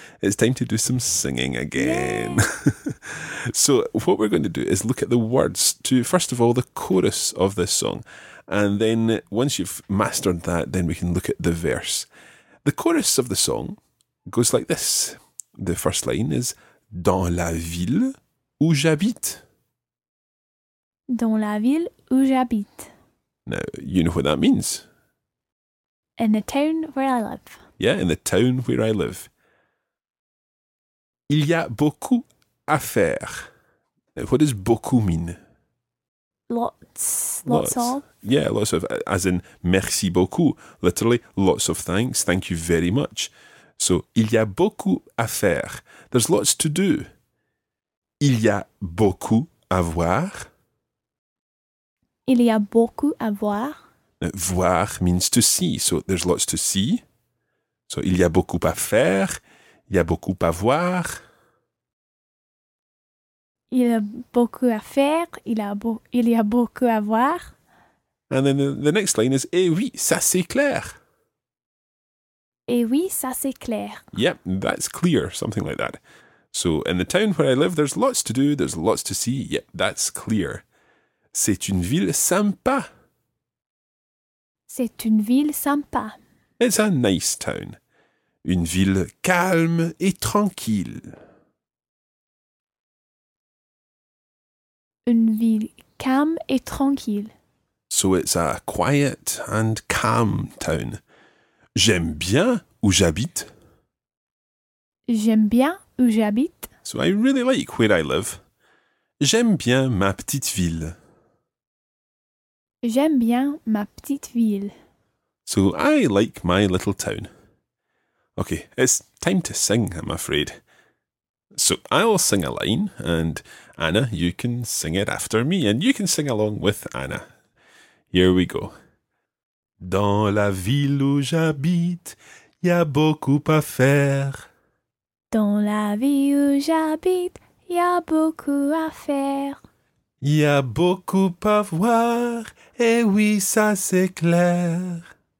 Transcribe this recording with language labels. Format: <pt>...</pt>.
<en>It's time to do some singing again. So what we're going to do is look at the words to, first of all, the chorus of this song. And then once you've mastered that, then we can look at the verse. The chorus of the song goes like this. The first line is,</en> <fr>dans la ville où j'habite. Dans la ville où j'habite.</fr> <en>Now, you know what that means. In the town where I live. Yeah, in the town where I live.</en> <fr>Il y a beaucoup à faire.</fr> <en>Now, what does beaucoup mean? Lots of. Yeah, lots of, as in</en> <fr>merci beaucoup.</fr> <en>Literally, lots of thanks. Thank you very much. So,</en> <fr>il y a beaucoup à faire.</fr> <en>There's lots to do.</en> <fr>Il y a beaucoup à voir. Il y a beaucoup à voir.</fr> <en>Voir means to see, so there's lots to see. So</en> <fr>il y a beaucoup à faire, il y a beaucoup à voir. Il y a beaucoup à faire, il y a beaucoup à voir.</fr> <en>And then the next line is,</en> <fr>eh oui, ça c'est clair. Eh oui, ça c'est clair.</fr> <en>Yep, that's clear, something like that. So in the town where I live, there's lots to do, there's lots to see. Yep, that's clear.</en> <fr>C'est une ville sympa. C'est une ville sympa.</fr> <en>It's a nice town.</en> <fr>Une ville calme et tranquille. Une ville calme et tranquille.</fr> <en>So it's a quiet and calm town.</en> <fr>J'aime bien où j'habite. J'aime bien où j'habite.</fr> <en>So I really like where I live.</en> <fr>J'aime bien ma petite ville. J'aime bien ma petite ville.</fr> <en>So I like my little town. Okay, it's time to sing, I'm afraid. So I'll sing a line and Anna, you can sing it after me and you can sing along with Anna. Here we go.</en> <fr>Dans la ville où j'habite, y a beaucoup à faire. Dans la ville où j'habite, y a beaucoup à faire. Il y a beaucoup à voir, et oui, ça c'est clair.</fr>